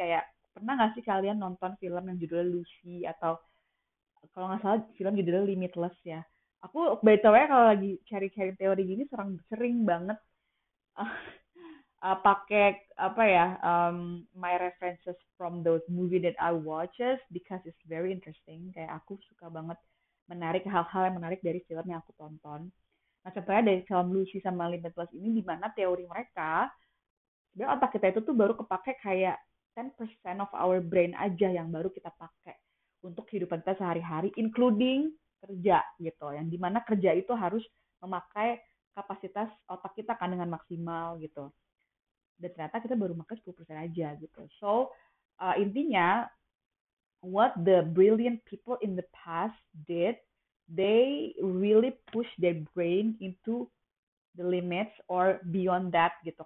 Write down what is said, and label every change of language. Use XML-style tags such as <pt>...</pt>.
<id>Kayak pernah nggak sih kalian nonton film yang judulnya Lucy, atau kalau nggak salah film judulnya Limitless ya. Aku</id> <en>by the way</en> <id>kalau lagi cari-cari teori gini sering banget pakai apa ya,</id> <en>my references from those movie that I watches, because it's very interesting.</en> <id>Kayak aku suka banget menarik hal-hal yang menarik dari film yang aku tonton. Nah, contohnya dari film Lucy sama Limitless ini, di mana teori mereka, sebenarnya otak kita itu tuh baru kepake kayak 10%</id> <en>of our brain</en> <id>aja yang baru kita pakai untuk kehidupan kita sehari-hari, including kerja gitu. Yang di mana kerja itu harus memakai kapasitas otak kita kan dengan maksimal gitu. Dan ternyata kita baru pakai 10% aja gitu.</id> <en>So,</en> <id>intinya,</id> <en>what the brilliant people in the past did, they really push their brain into the limits or beyond that</en> <id>gitu.</id>